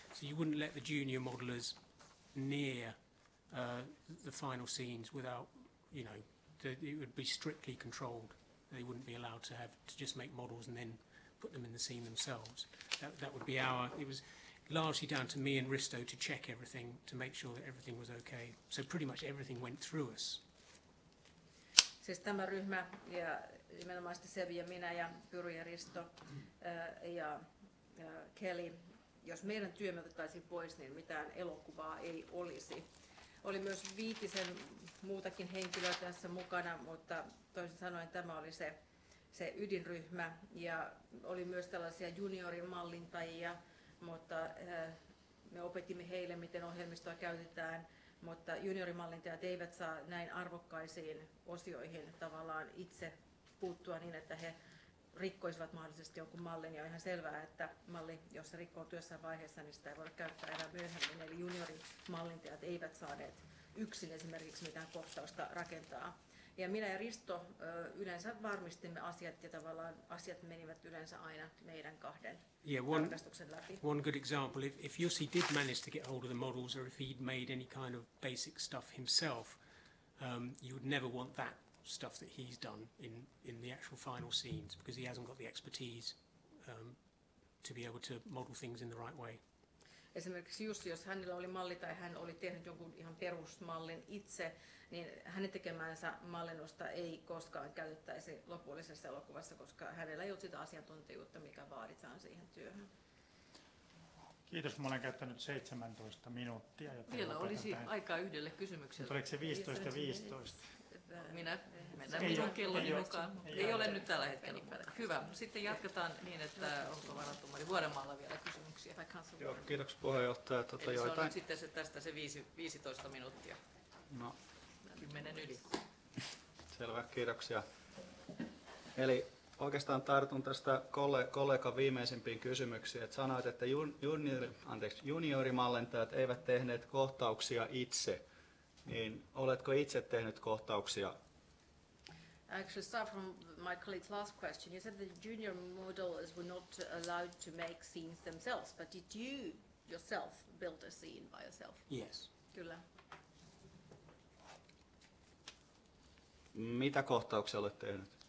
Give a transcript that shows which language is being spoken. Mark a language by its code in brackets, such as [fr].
[en] So you wouldn't let the junior modelers near the final scenes without, you know, it would be strictly controlled. They wouldn't be allowed to have to just make models and then put them in the scene themselves. That would be our. It was largely down to me and Risto to check everything, to make sure that everything was okay. So pretty much everything went through us. [fi] Siis tämä ryhmä, ja nimenomaan sitten Sevi ja minä ja Pyry ja Risto ja Kelly, jos meidän työmme otettaisiin pois, niin mitään elokuvaa ei olisi. Oli myös viitisen muutakin henkilöä tässä mukana, mutta toisin sanoen tämä oli se ydinryhmä. Ja oli myös tällaisia juniorimallintajia, mutta me opetimme heille, miten ohjelmistoa käytetään, mutta juniorimallintajat eivät saa näin arvokkaisiin osioihin tavallaan itse puuttua niin, että he rikkoisivat mahdollisesti jonkun mallin. Ja on ihan selvää, että malli, jos se rikkoutuu jossain vaiheessa, niin sitä ei voida käyttää enää myöhemmin. Eli juniorimallintajat eivät saaneet yksin esimerkiksi mitään kohtausta rakentaa. Ja minä ja Risto yleensä varmistimme asiat ja tavallaan asiat menivät yleensä aina meidän kahden tarkastuksen läpi. [en] One good example, if Jussi did manage to get hold of the models or if he'd made any kind of basic stuff himself, you would never want that stuff that he's done in the actual final scenes, because he hasn't got the expertise to be able to model things in the right way. [fi] Esimerkiksi Jussi, jos hänellä oli malli tai hän oli tehnyt jonkun ihan perusmallin itse, niin hänen tekemäänsä mallinnosta ei koskaan käytettäisi lopullisessa elokuvassa, koska hänellä ei ole sitä asiantuntijuutta, mikä vaaditaan siihen työhön. Kiitos, mä olen käyttänyt 17 minuuttia. Vielä olisi tähän aikaa yhdelle kysymykselle. Oliko se 15:15? Minä mennään minun kelloni mukaan. Ei ole nyt tällä hetkellä. Hyvä. Sitten jatketaan niin, että onko varattu Vuorenmaalla vielä kysymyksiä. Joo, kiitoksia puheenjohtaja. Eli se on nyt sitten se tästä se 15 minuuttia. No. Kymmenen yli. Selvä, kiitoksia. Eli oikeastaan tartun tästä kollegan viimeisimpiin kysymyksiin, että sanoit, että juniorimallentajat eivät tehneet kohtauksia itse, niin oletko itse tehnyt kohtauksia? [en] Actually, start from my colleague's last question. You said the junior modelers were not allowed to make scenes themselves, but did you yourself build a scene by yourself? Yes. [fi] Kyllä. Mitä kohtauksia olet tehnyt?